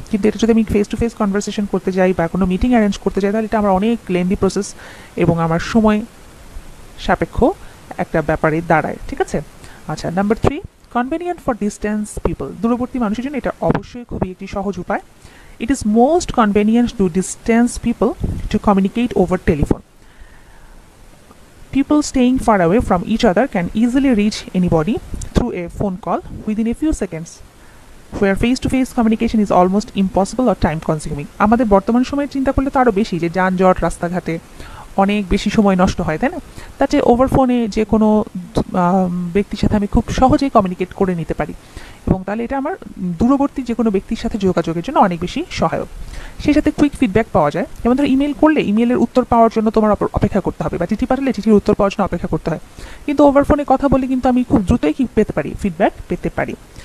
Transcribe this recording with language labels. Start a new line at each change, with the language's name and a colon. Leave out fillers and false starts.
Bangla: কিন্তু এটা যদি আমি ফেস টু ফেস কনভারসেশন করতে যাই বা কোনো মিটিং অ্যারেঞ্জ করতে যাই, তাহলে এটা আমার অনেক লেন্দি প্রসেস এবং আমার সময় সাপেক্ষ একটা ব্যাপারে দাঁড়ায়, ঠিক আছে? আচ্ছা, number three,
English: Convenient for distance people.
Bangla: দূরবর্তী মানুষের জন্য এটা অবশ্যই খুবই একটি সহজ উপায়।
English: It is most convenient to distance people to communicate over telephone. People staying far away from each other can easily reach anybody through a phone call within a few seconds, where face-to-face communication is almost impossible or time-consuming.
Bangla: আমাদের বর্তমান সময়ে চিন্তা করলে তো আরও বেশি, যে যানজট রাস্তাঘাটে অনেক বেশি সময় নষ্ট হয়, তাই না? তাতে ওভার ফোনে যে কোনো ব্যক্তির সাথে আমি খুব সহজেই কমিউনিকেট করে নিতে পারি, এবং তাহলে এটা আমার দূরবর্তী যে কোনো ব্যক্তির সাথে যোগাযোগের জন্য অনেক বেশি সহায়ক। সেই সাথে কুইক ফিডব্যাক পাওয়া যায়, যেমন ধরো ইমেল করলে ইমেলের উত্তর পাওয়ার জন্য তোমার অপেক্ষা করতে হবে, বা চিঠি পাঠালে চিঠির উত্তর পাওয়ার জন্য অপেক্ষা করতে হয়, কিন্তু ওভার ফোনে কথা বলে কিন্তু আমি খুব দ্রুতই কি পেতে পারি, ফিডব্যাক পেতে পারি।